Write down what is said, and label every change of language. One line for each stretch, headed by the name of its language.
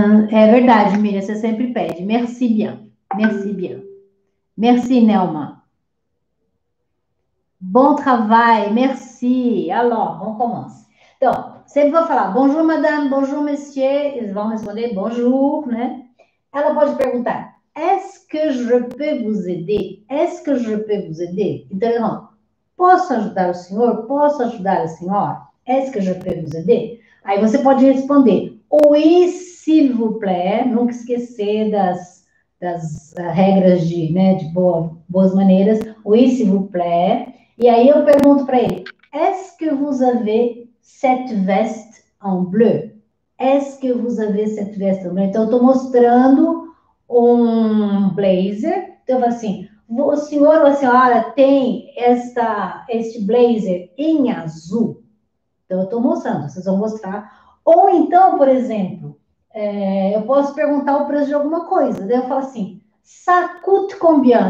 Portuguese: É verdade, Miriam, você sempre pede.
French: Merci bien. Merci bien. Merci, Nelma. Bon travail, merci. Alors, on commence.
Portuguese: Então, sempre vou falar
French: bonjour, madame, bonjour, monsieur.
Portuguese: Eles vão responder bonjour, né? Ela pode perguntar.
French: Est-ce que je peux vous aider? Est-ce que je peux vous aider?
Portuguese: Então, posso ajudar o senhor? Posso ajudar a senhora?
French: Est-ce que je peux vous aider?
Portuguese: Aí você pode responder:
French: Oui, s'il vous plaît.
Portuguese: Nunca esquecer das regras de, né, de boas maneiras.
French: Oui, s'il vous plaît.
Portuguese: E aí eu pergunto para ele:
French: Est-ce que vous avez cette veste en bleu? Est-ce que vous avez cette veste en bleu?
Portuguese: Então, eu estou mostrando um blazer, então eu falo assim, o senhor ou a senhora tem este blazer em azul? Então eu estou mostrando, vocês vão mostrar. Ou então, por exemplo, eu posso perguntar o preço de alguma coisa, daí eu falo assim,
French: ça coûte combien?